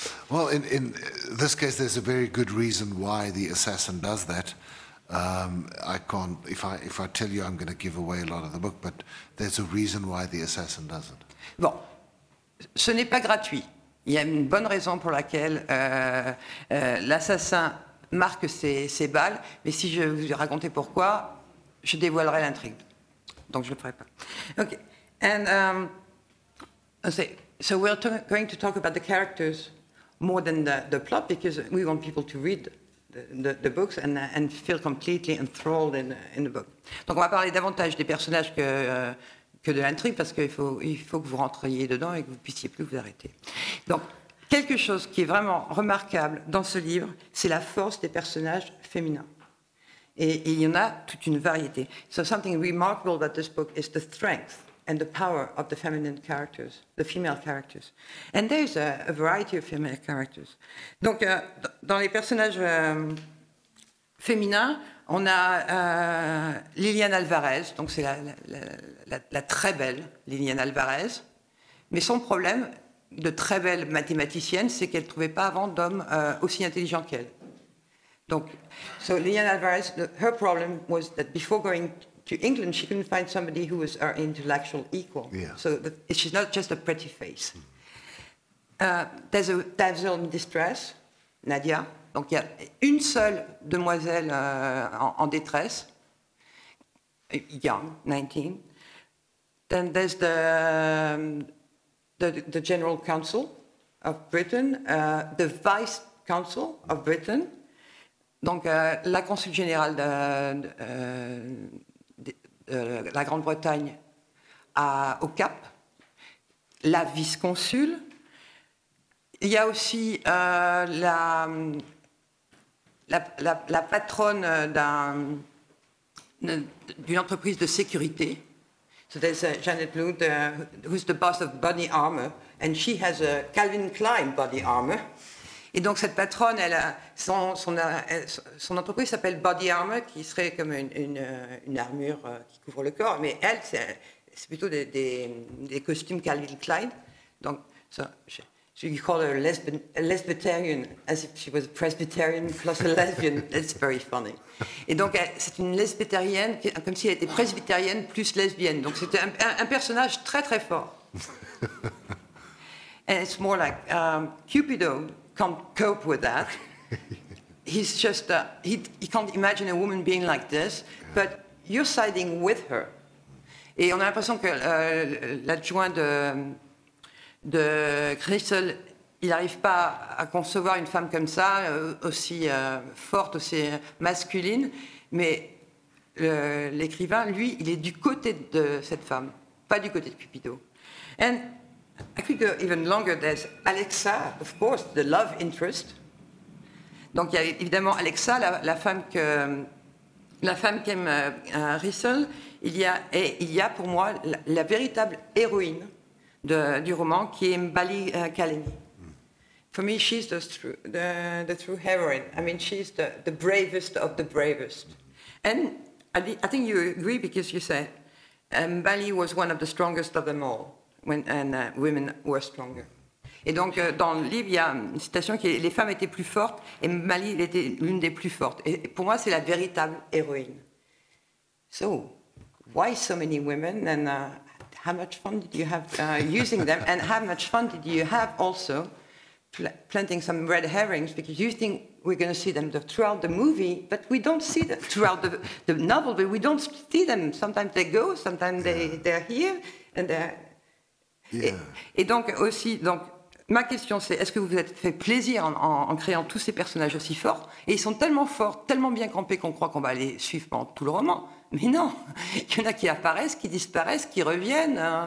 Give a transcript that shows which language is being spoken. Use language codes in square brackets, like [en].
[en] Well, in this case, there's a very good reason why the assassin does that. I can't, if I tell you, I'm going to give away a lot of the book, but there's a reason why the assassin does it. [fr] Bon, ce n'est pas gratuit. Il y a une bonne raison pour laquelle l'assassin marque ses balles, mais si je vous ai raconté pourquoi, je dévoilerai l'intrigue. Donc je ne le ferai pas. [en] Okay, and so we're going to talk about the characters more than the plot, because we want people to read the books and feel completely enthralled in the book. [fr] Donc on va parler davantage des personnages que de l'intrigue, parce qu'il faut que vous rentriez dedans et que vous ne puissiez plus vous arrêter. Donc, quelque chose qui est vraiment remarquable dans ce livre, c'est la force des personnages féminins. Et il y en a toute une variété. [en] So something remarkable about this book is the strength and the power of the feminine characters, the female characters. And there's a variety of female characters. [fr] Donc, dans les personnages féminins, on a Liliane Alvarez, donc c'est la très belle Liliane Alvarez. Mais son problème de très belle mathématicienne, c'est qu'elle ne trouvait pas avant d'homme aussi intelligent qu'elle. Donc, [en] so Liliane Alvarez, her problem was that before going to England, she couldn't find somebody who was her intellectual equal. Yeah. So that she's not just a pretty face. There's a damsel in distress, Nadia. [fr] Donc il y a une seule demoiselle en détresse, [en] young, [fr] 19. [en] Then there's the general counsel of Britain, the vice counsel of Britain. [fr] Donc la consul générale de la Grande-Bretagne au Cap, la vice consul. Il y a aussi la patronne d'une entreprise de sécurité. [en] So there's Janet Lund, who's the boss of Body Armor, and she has a Calvin Klein Body Armor. [fr] Et donc cette patronne, elle a son entreprise s'appelle Body Armor, qui serait comme une armure qui couvre le corps, mais elle, c'est plutôt des costumes Calvin Klein. Donc, [en] so you call her a lesbian, as if she was a Presbyterian plus a lesbian. That's very funny. [fr] Et donc, c'est une lesbétérienne, comme si elle était presbytérienne plus lesbienne. Donc, c'était un personnage très, très fort. [en] And it's more like Cupido can't cope with that. He's just, he can't imagine a woman being like this. But you're siding with her. [fr] Et on a l'impression que l'adjoint de Crystal, il n'arrive pas à concevoir une femme comme ça, aussi forte, aussi masculine. Mais l'écrivain, lui, il est du côté de cette femme, pas du côté de Cupido. [en] And I could go even longer. There's Alexa, of course, the love interest. [fr] Donc il y a évidemment Alexa, la femme qu'aime Crystal. Il y a pour moi la véritable héroïne du roman, qui est Mbali Kalani. [en] For me, she's the true heroine. I mean, she's the bravest of the bravest. And I think you agree, because you said Mbali was one of the strongest of them all, and women were stronger. [fr] Et donc, dans le livre, il y a une citation qui est « Les femmes étaient plus fortes, et Mbali était l'une des plus fortes. » Et pour moi, c'est la véritable héroïne. [en] So, why so many women, and how much fun did you have using them, and how much fun did you have also planting some red herrings, because you think we're going to see them throughout the movie, but we don't see them throughout the novel, but we don't see them. Sometimes they go, sometimes they're here, and they're... Yeah. [fr] Et donc aussi, donc, ma question c'est, est-ce que vous vous êtes fait plaisir en créant tous ces personnages aussi forts? Et ils sont tellement forts, tellement bien campés, qu'on croit qu'on va les suivre pendant tout le roman. Mais non, il y en a qui apparaissent, qui disparaissent, qui reviennent.